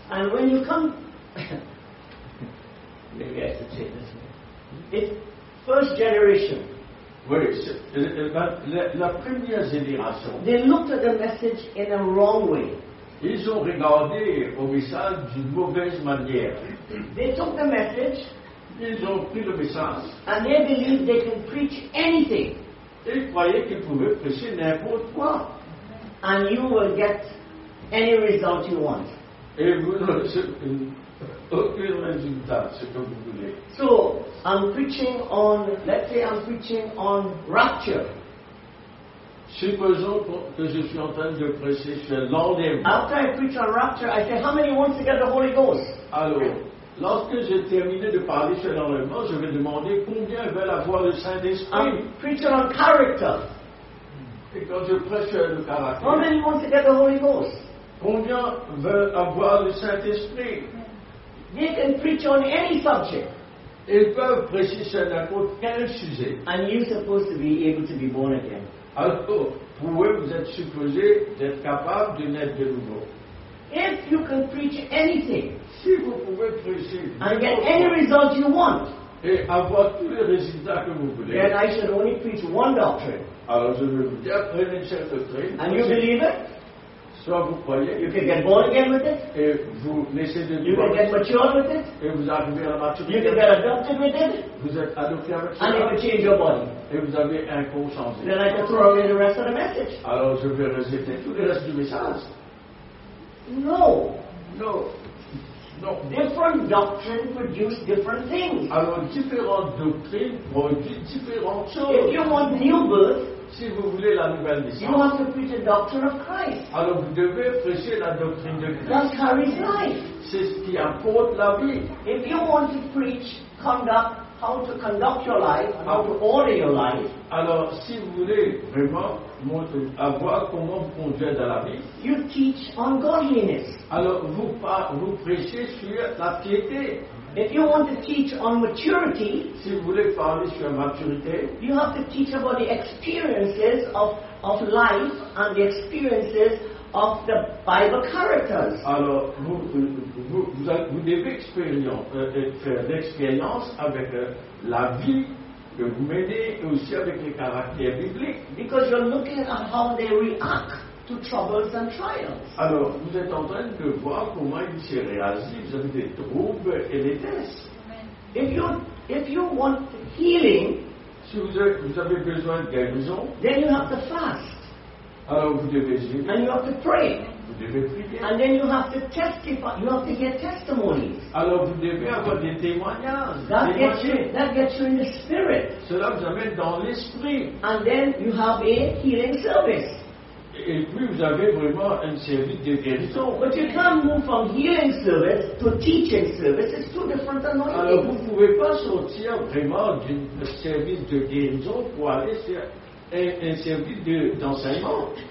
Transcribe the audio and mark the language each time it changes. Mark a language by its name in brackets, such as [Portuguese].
[English] And when you come, maybe I should say this. It's first generation. [French] Oui, la première génération. [English] They looked at the message in a wrong way. [French] Ils ont regardé au message d'une mauvaise manière. [English] They took the message. [French] Ils ont pris le message. [English] And they believed they can preach anything. [French] Ils croyaient qu'ils pouvaient prêcher n'importe quoi. [English] And you will get any result you want. [French] Et vous n'aurez aucun résultat, ce que vous voulez. [English] So, I'm preaching on, let's say I'm preaching on rapture. [French] Supposons que je suis en train de prêcher sur l'enlèvement. [English] After I preach on rapture, I say, how many wants to get the Holy Ghost? [French] Alors, lorsque j'ai terminé de parler sur l'enlèvement, je vais demander combien veulent avoir le Saint-Esprit. [English] Preaching on character. [French] Et quand je prêche le caractère, [English] how many want to get the Holy Ghost? [French] Combien veulent avoir le Saint-Esprit? [English] They can preach on any subject. [French] Ils peuvent prêcher sur n'importe quel sujet. [English] And you're supposed to be able to be born again. [French] Alors, vous êtes supposé d'être capable de naître de nouveau. [English] If you can preach anything, [French] si vous pouvez prêcher, [English] and get any result you want, [French] et avoir tous les résultats que vous voulez, [English] then I should only preach one doctrine. [French] Alors je vais vous dire, prenez une seule doctrine. [English] And you believe it? [French] Soit vous croyez, [English] you can get born again with it. [French] Et vous naissez de [English] you can get matured with it. [French] Et vous arrivez à la maturité. [English] You can get adopted with it. [French] Vous êtes adopté avec [English] and [French] ça. [English] You can change your body. [French] Et vous avez un corps changé. [English] Then I can throw away the rest of the message. [French] Alors je vais rejeter tout le reste du message. [English] No. No. No. Different doctrine produce different things. [French] Alors différentes doctrines produisent différentes choses. [English] If you want new birth, [French] si vous voulez la nouvelle naissance, [English] you have to preach the doctrine of Christ. [French] Alors vous devez prêcher la doctrine de Christ. [English] That carries life. [French] C'est ce qui apporte la vie. [English] If you want to preach conduct, how to conduct your life, how to order your life, [French] alors si vous voulez vraiment montrer, avoir comment vous conduire dans la vie, [English] you teach on godliness. [French] Alors vous prêchez sur la piété. [English] If you want to teach on maturity, [French] si vous voulez parler sur la maturité, [English] you have to teach about the experiences of life and the experiences of the Bible characters. [French] Alors vous devez faire l'expérience avec la vie que vous menez et aussi avec les caractères bibliques. [English] Because you're looking at how they react to troubles and trials. [French] Alors vous êtes en train de voir comment ils se réagissent, vous avez des troubles et des tests. [English] If you want healing, [French] si vous avez besoin de guérison, [English] then you have to fast. [French] Alors vous devez jeûner. [English] And you have to pray. [French] Vous devez prier. [English] And then you have to testify. You have to get testimonies. [French] Alors vous devez avoir des témoignages. [English] That gets you in the spirit. [French] Cela vous amène dans l'esprit. [English] And then you have a healing service. [French] Et puis vous avez vraiment un service de guérison. [English] But you can't move from healing service to teaching service. It's two different anointings. [French] Alors vous ne pouvez pas sortir vraiment d'un service de guérison pour aller sur un service d'enseignement.